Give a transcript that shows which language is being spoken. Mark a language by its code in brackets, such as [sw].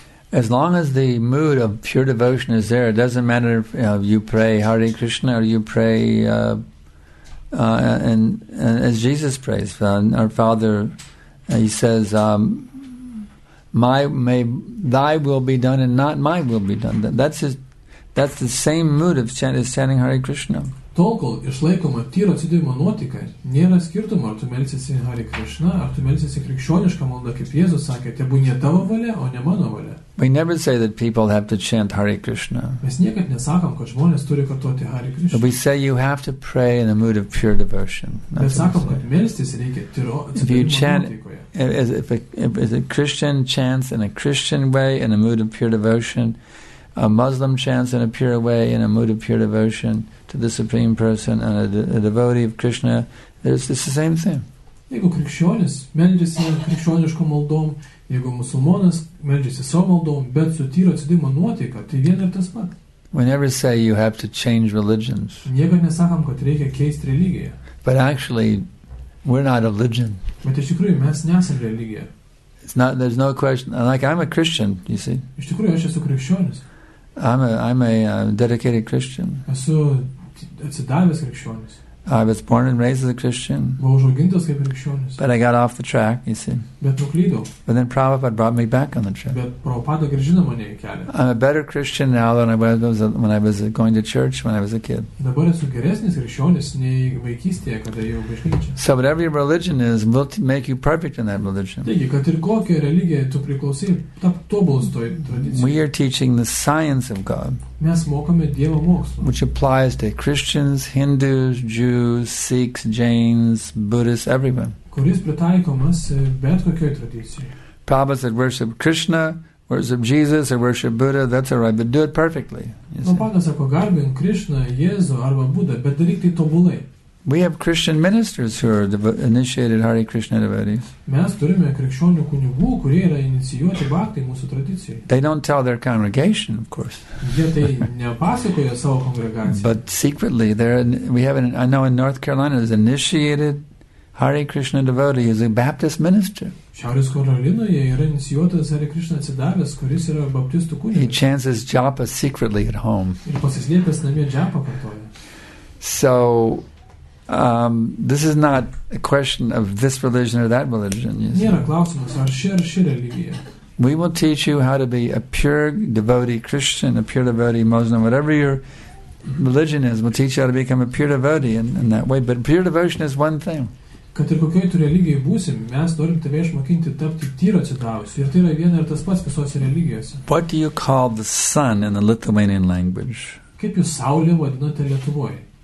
[en] As long as the mood of pure devotion is there, it doesn't matter if you pray Hare Krishna or you pray and as Jesus prays, our Father, he says, thy will be done and not my will be done. That's the same mood of chanting Hare Krishna. [lt] Tol, kol išlaikoma tyro atsidėjimo nuotika, nėra skirtumo, ar tu melsiesi Hare Krishna, ar tu melsiesi krikščionišką maldą, kaip Jėzus sakė, tebūnie tavo valia, o ne mano valia. [en] We never say that people have to chant Hare Krishna. [lt] Mes niekad nesakom, kad žmonės turi kartuoti Hare Krishna. [en] But we say you have to pray in a mood of pure devotion. That's [lt] mes sakom, kad melstis reikia tyro atsidėjimo [en] If a Christian chants in a Christian way, in a mood of pure devotion, a Muslim chants in a pure way, in a mood of pure devotion to the Supreme Person and a devotee of Krishna, it's the same thing. [lt] Jeigu krikščionis meldžiasi krikščioniškom maldom, jeigu musulmonas meldžiasi savo maldom, bet su tyro atsidimo nuotaika, tai vien ir tas pat. [en] We never say you have to change religions. [lt] Niekad nesakom, kad reikia keisti religiją. [en] But actually, we're not a religion. [lt] Bet iš tikrųjų, mes nesam religija. [en] It's not, there's no question, like I'm a Christian, you see. [lt] Iš tikrųjų, aš esu krikščionis. [en] I'm a dedicated Christian. [lt] Esu atsidavęs krikščionis. [en] I was born and raised as a Christian. [lt] Buvau užaugintas kaip krikščionis. [en] But I got off the track, you see. [lt] Bet nuklydau. [en] But then Prabhupada brought me back on the track. [lt] Bet Prabhupada grįžino mane į kelią. [en] I'm a better Christian now than I was when I was going to church when I was a kid. [lt] Dabar esu geresnis krikščionis nei vaikystėje, kada jau bažnyčia. [en] So whatever your religion is, will make you perfect in that religion. [lt] Taigi, kad ir kokią religiją tu priklausai, tap tobulas toj tradicijoje. [en] We are teaching the science of God. [lt] Mes mokame Dievo mokslo. [en] Which applies to Christians, Hindus, Jews, Sikhs, Jains, Buddhists, everyone. [lt] Kuris pritaikomas bet kokioj tradicijoje. [en] Prabhupada said worship Krishna, worship Jesus, or worship Buddha, that's all right, but do it perfectly. [lt] Prabhupada sako, garbink Krishna, Jėzų arba Buddha, bet daryk tai tobulai. [en] We have Christian ministers who are initiated Hare Krishna devotees. [lt] Mes turime krikščionių kunigų, kurie yra inicijuoti bhakti mūsų tradicijai. [en] They don't tell their congregation, of course. [lt] Jie tai nepasakoja savo kongregacijai. [en] But secretly, I know in North Carolina is initiated Hare Krishna devotee is a Baptist minister. [lt] Šiaurės Karolinoje yra inicijuotas Hare Krishna atsidavęs, kuris yra baptistų kunigas. [en] He chants his japa secretly at home. [lt] Ir pasislėpęs namie japa kartoja. [en] So, this is not a question of this religion or that religion. You [lt] nėra klausimas, ar ši ar ši religija. [en] We will teach you how to be a pure devotee Christian, a pure devotee Muslim, whatever your religion is. We'll teach you how to become a pure devotee in that way. But pure devotion is one thing. [lt] Kad ir kokioj tu religijai būsim, mes norim tave išmokinti tapti tyro atsidavusiu. Ir tai yra viena ir tas pats visose religijose. [en] What do you call the sun in the Lithuanian language? [lt] Kaip jūs saulė vadinate Lietuvoje?